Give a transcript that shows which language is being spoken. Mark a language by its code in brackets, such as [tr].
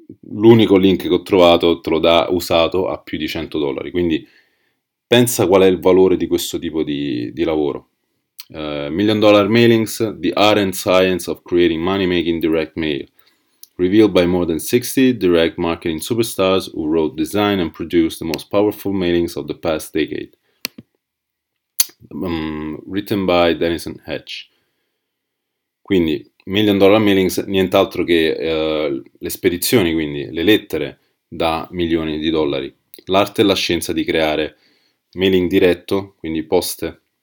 [it] L'unico link che ho trovato te lo dà usato a più di 100 dollari, quindi pensa qual è il valore di questo tipo di lavoro. [en] Million Dollar Mailings, The Art and Science of Creating Money Making Direct Mail, revealed by more than 60 direct marketing superstars who wrote, designed and produced the most powerful mailings of the past decade. Written by Denison Hatch. [it] Quindi, Million Dollar Mailings, nient'altro che le spedizioni, quindi le lettere da milioni di dollari. L'arte e la scienza di creare mailing diretto, quindi poste.